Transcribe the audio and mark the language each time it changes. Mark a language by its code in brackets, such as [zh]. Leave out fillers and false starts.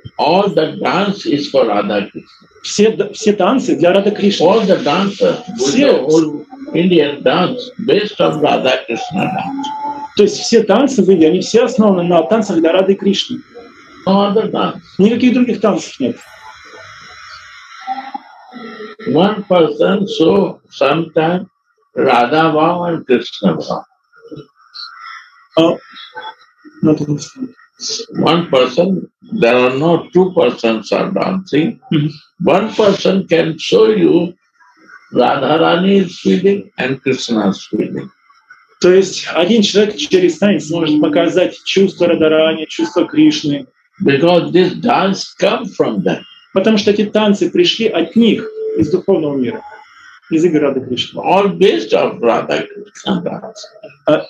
[en] All the dance is for Radha Krishna. [ru] Все танцы для Радха Кришны. [en] All the dance. [ru] Все. [en] All Indian dance based on Radha Krishna dance. [ru] То есть все танцы в Индии, они все основаны на танцах для Радхи Кришны. [en] No other dance. [ru] Никаких других танцев нет. [en] One person so sometime Radha Bhav and Krishna Bhav. One person, there are not two persons are dancing. Mm-hmm. One person can show you Radharani is feeling and Krishna is feeling. [ru] То есть один человек через танец может показать чувство Радхарани, чувство Кришны. [en] Because this dance comes from them. [ru] Потому что эти танцы пришли от них из духовного мира. Из игры Радхи Кришны. [en] All based on Radha Krishna dance.